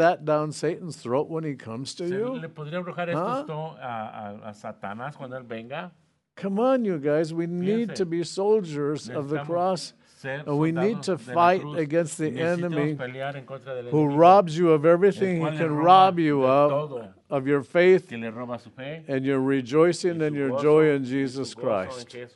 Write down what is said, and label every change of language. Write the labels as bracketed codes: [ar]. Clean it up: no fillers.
[en] that down Satan's throat when he comes to you? [es] ¿Le podría arrojar esto a Satanás cuando él venga? [en] Come on, you guys. We [es] piense, [en] need to be soldiers of the cross. And we need to fight against the enemy who robs you of everything he can rob you of your faith and your rejoicing and your joy in Jesus Christ.